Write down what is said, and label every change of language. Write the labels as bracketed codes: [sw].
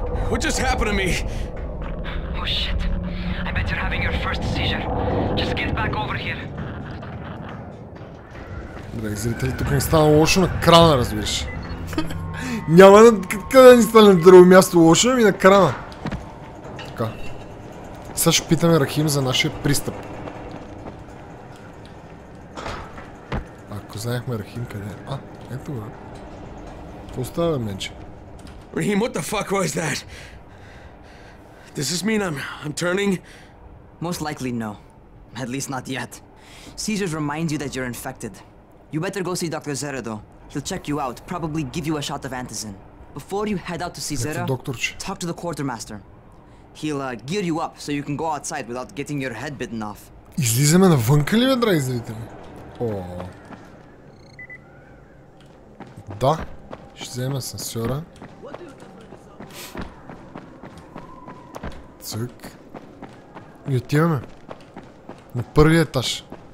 [en] What just happened to me? Oh shit. I bet you're having your first seizure. Just get back over here. [bg] Брай, зрители, тук ни става лошо на крана, разбираш. Няма къде да ни стане на друго място лошо, ами на крана. Така. Сега ще питаме Рахим за нашия пристъп. Ако знаехме Рахим къде е... А? Ето го. Какво става, менче? [en] Рахим, what the fuck was that? Does this mean I'm turning? Most likely no. At least not yet. Seizures remind you that you're infected. You better go see Dr. Zera though. He'll check you out, probably give you a shot of antizin. Before you head out to see Zera, talk to the quartermaster. He'll gear you up so you can go outside without getting your head bitten off. [bg] Излизаме навънка ли, бе, драй зрители? Ооо. Да, ще вземем асансьора. Цък. И отиваме. На първия етаж.